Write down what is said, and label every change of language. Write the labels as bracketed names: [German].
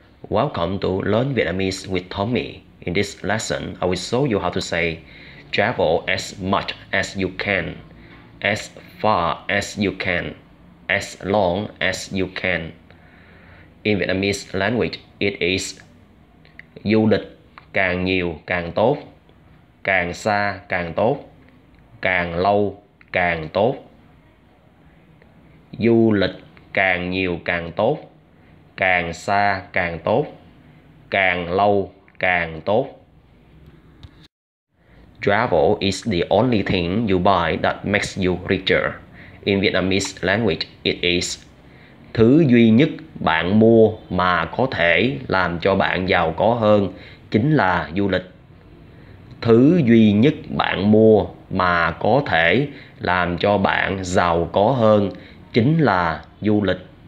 [English] Welcome to Learn Vietnamese with Tommy. In this lesson, I will show you how to say travel as much as you can, as far as you can, as long as you can. In Vietnamese language, it is [Vietnamese] du lịch càng nhiều càng tốt, càng xa càng tốt, càng lâu càng tốt. Du lịch càng nhiều càng tốt, càng xa càng tốt, càng lâu càng tốt. [English] Travel is the only thing you buy that makes you richer. In Vietnamese language, it is [Vietnamese] thứ duy nhất bạn mua mà có thể làm cho bạn giàu có hơn chính là du lịch. Thứ duy nhất bạn mua mà có thể làm cho bạn giàu có hơn chính là du lịch.